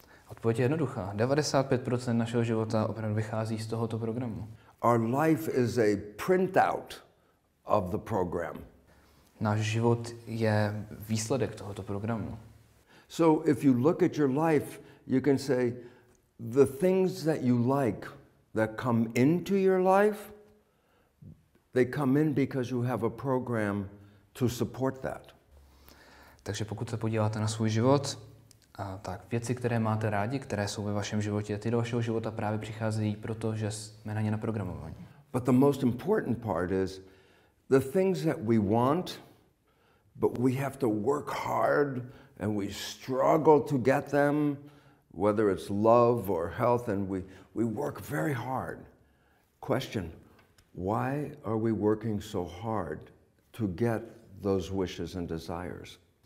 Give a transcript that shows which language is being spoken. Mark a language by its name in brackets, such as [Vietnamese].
[Czech] Odpověď je jednoduchá. 95% našeho života opravdu vychází z tohoto programu. [English] Our life is a printout of the program. [Czech] Náš život je výsledek tohoto programu. [English] So if you look at your life, you can say the things that you like that come into your life, they come in because you have a program to support that. [Czech] Takže pokud se podíváte na svůj život, tak věci, které máte rádi, které jsou ve vašem životě, ty do vašeho života právě přicházejí proto, že jsme na ně naprogramovaní. [English] But the most important part is the things that we want, but we have to work hard and we struggle to get them, whether it's love or health, and we work very hard. Question: why are we working so hard to get those wishes and desires?